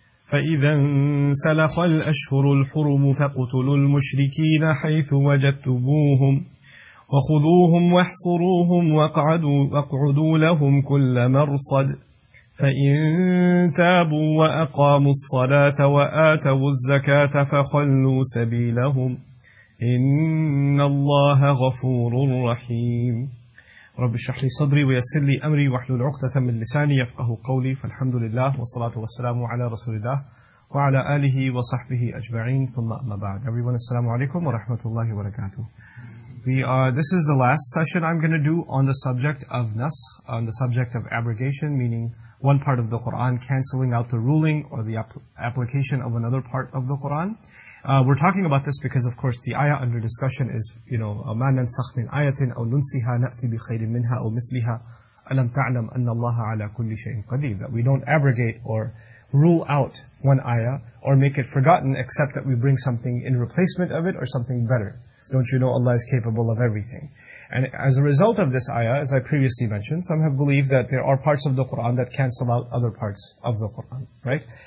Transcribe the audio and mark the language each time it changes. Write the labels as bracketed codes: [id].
[ar] فإذا انسلخ الأشهر الحرم فاقتلوا المشركين حيث وجدتموهم وخذوهم واحصروهم واقعدوا لهم كل مرصد فإن تابوا وأقاموا الصلاة وآتوا الزكاة فخلوا سبيلهم إن الله غفور رحيم. رب اشرح لي صدري ويسر لي امري واحلل عقدة من لساني يفقهوا قولي. فالحمد لله والصلاة والسلام على رسول الله وعلى آله وصحبه اجمعين. ثم اما بعد. [en] Everyone, [ar] السلام عليكم ورحمة الله وبركاته. [en] This is the last session I'm going to do on the subject of nasakh, on the subject of abrogation, meaning one part of the Quran canceling out the ruling or the application of another part of the Quran. We're talking about this because, of course, the ayah under discussion is, you know, [ar] مَا نَنْسَخْ مِنْ آيَةٍ أَوْ نُنْسِهَا نَأْتِ بِخَيْرٍ مِنْهَا أَوْ مِثْلِهَا أَلَمْ تَعْلَمْ أَنَّ اللَّهَ عَلَى كُلِّ شَيْءٍ قَدِيرٍ. [en] That we don't abrogate or rule out one ayah or make it forgotten except that we bring something in replacement of it or something better. Don't you know Allah is capable of everything? And as a result of this ayah, as I previously mentioned, some have believed that there are parts of the Quran that cancel out other parts of the Quran, right?